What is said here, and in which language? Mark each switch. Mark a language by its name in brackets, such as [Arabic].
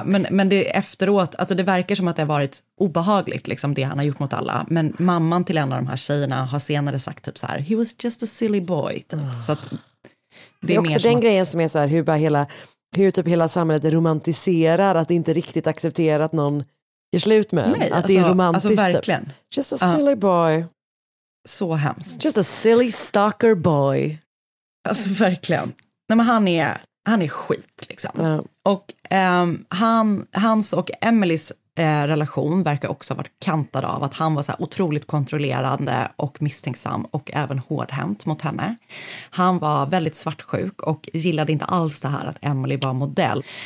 [Swedish] men det efteråt, alltså det verkar som att det har varit obehagligt liksom det han har gjort mot alla, men mamman till en av de här tjejerna har senare sagt typ så här, [English] he was just a silly boy, [Swedish] typ. Så att det är mer också den att grejen som är så här, hur typ hela samhället romantiserar att det inte riktigt accepterar att någon ge slut med. Nej, att alltså, det är romantiskt. Alltså verkligen. [English] Just a silly boy. [Swedish] Så hemskt. [English] Just a silly stalker boy. [Swedish] Alltså verkligen. Nej, men han är skit liksom. Ja. Och hans och Emilys relation verkar också ha varit kantad av att han var så här otroligt kontrollerande och misstänksam och även hårdhänt mot henne. Han var väldigt svartsjuk och gillade inte alls det här att Emily var modell.